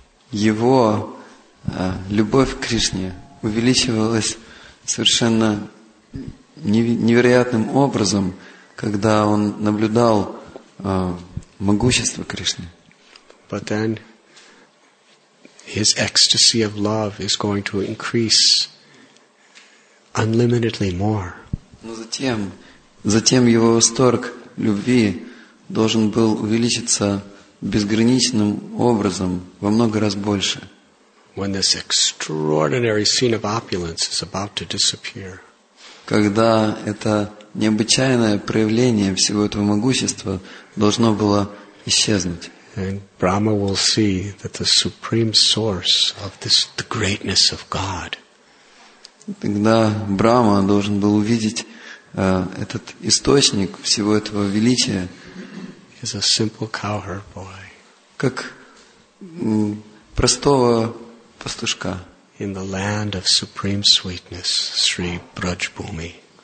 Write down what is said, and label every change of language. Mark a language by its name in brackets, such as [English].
[Russian] Его любовь к Кришне увеличивалась совершенно невероятным образом, когда он наблюдал могущество Кришны. [English] But then his ecstasy of love is going to increase unlimitedly more. [Russian] Но затем его восторг любви должен был увеличиться безграничным образом во много раз больше. [English] When this extraordinary scene of opulence is about to disappear. [Russian] Когда это необычайное проявление всего этого могущества должно было исчезнуть. [English] And Brahma will see that the supreme source of this, the greatness of God. [Russian] Тогда Брахма должен был увидеть этот источник всего этого величия. [English] Is a simple cowherd boy. [Russian] Как простого пастушка. [English] In the land of supreme sweetness, Sri Brajbhumi.